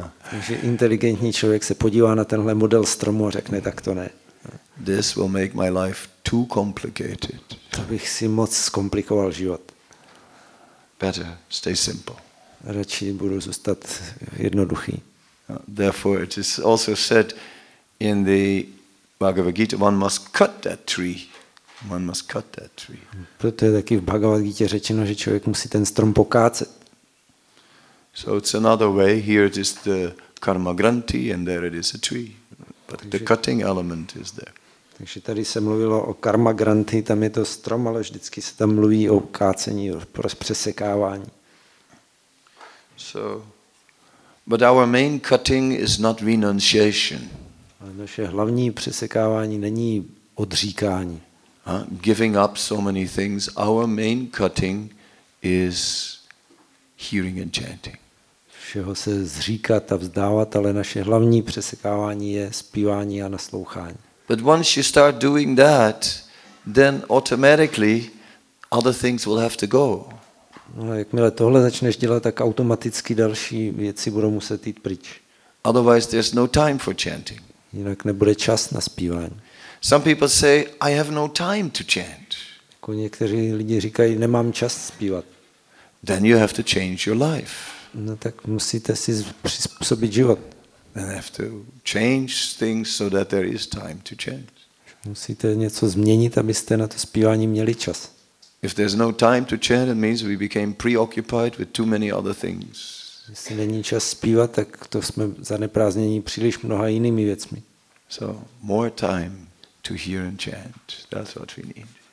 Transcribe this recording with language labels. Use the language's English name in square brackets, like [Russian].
[Czech] Takže inteligentní člověk se podívá na tenhle model stromu a řekne tak to ne. [English] This will make my life too complicated. [Czech] To bych si moc zkomplikoval život. [English] Better stay simple. [Czech] Radši budu zůstat jednoduchý. [English] Therefore it is also said in the Bhagavad Gita, one must cut that tree. One must cut that tree. [Czech] Proto je taky v Bhagavad Gita řečeno, že člověk musí ten strom pokácet. [English] So it's another way. Here it is the karma granti, and there it is a tree. But [Czech] takže, [English] the cutting element is there. [Czech] Takže tady se mluvilo o karma granti, tam je to strom, ale vždycky se tam mluví o kácení, o přesekávání. [English] So, but our main cutting is not renunciation. [Czech] Naše hlavní přesekávání není odříkání. [English] Giving up so many things, our main cutting is hearing and chanting. [Czech] Všeho se zříkat a vzdávat, ale naše hlavní přesekávání je zpívání a naslouchání. [English] But once you start doing that, then automatically other things will have to go. [Czech] No, jakmile tohle začneš dělat, tak automaticky další věci budou muset jít pryč. [English] Otherwise there's no time for chanting. [Czech] Jinak nebude čas na zpívání. [English] Some people say I have no time to chant. [Czech] Jako někteří lidi říkají, nemám čas zpívat. [English] Then you have to change your life. [Czech] No tak musíte si přizpůsobit život. [English] And have to change things so that there is time to chant. [Czech] Musíte něco změnit, abyste na to zpívání měli čas. [English] If there's no time to chant, it means we became preoccupied with too many other things. [Czech] Jestli není čas zpívat, tak to jsme zaneprázdnění příliš mnoha jinými věcmi. [English] So more time to hear and chant. That's what we need.